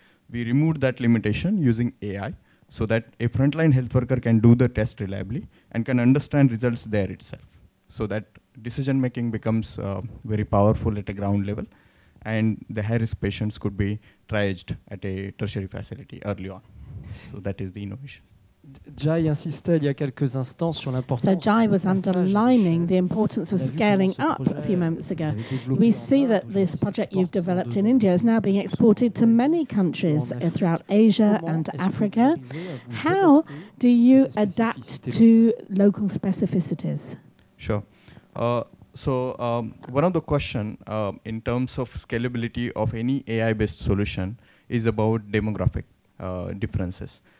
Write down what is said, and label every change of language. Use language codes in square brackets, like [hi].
[en] We removed that limitation using AI, so that a frontline health worker can do the test reliably and can understand results there itself. So that decision making becomes very powerful at a ground level, and the high risk patients could be triaged at a tertiary facility early on. So that is the innovation. [fr] Jai insisted il y a quelques instants sur l'importance. [en] So Jai was underlining the importance of scaling up a few moments ago. We see that this project you've developed in India is now being exported to many countries throughout Asia and Africa. How do you adapt to local specificities? Sure. So one of the questions in terms of scalability of any AI-based solution is about demographic differences.